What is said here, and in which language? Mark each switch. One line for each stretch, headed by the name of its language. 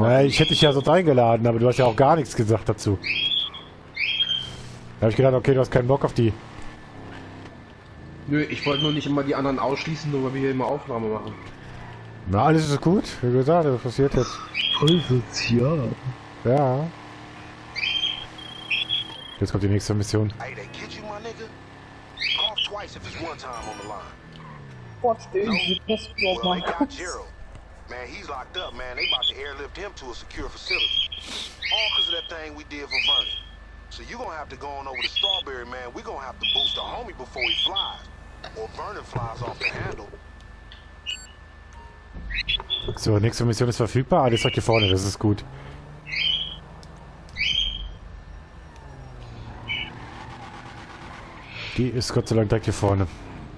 German: Naja, ich hätte dich ja so eingeladen, aber du hast ja auch gar nichts gesagt dazu. Da habe ich gedacht, okay, du hast keinen Bock auf die... Nö, ich wollte nur nicht immer die anderen ausschließen, nur weil wir hier immer Aufnahme machen. Na, alles ist gut, wie gesagt, das passiert jetzt. Teufels, ja. Ja. Jetzt kommt die nächste Mission.
English: Hey, they get you, my nigga? Call twice if it's one time on the line. What's the issue? That's what my God. Man, he's locked up, man. They about to airlift him to a secure facility. All because of that thing we did for Vernon. So you're gonna have to go on over to Strawberry, man. We're gonna have to boost the homie before he flies. Or Vernon flies off the handle.
German: So, nächste Mission ist verfügbar. Ah, das ist hier vorne, das ist gut. Die ist Gott sei Dank direkt hier vorne.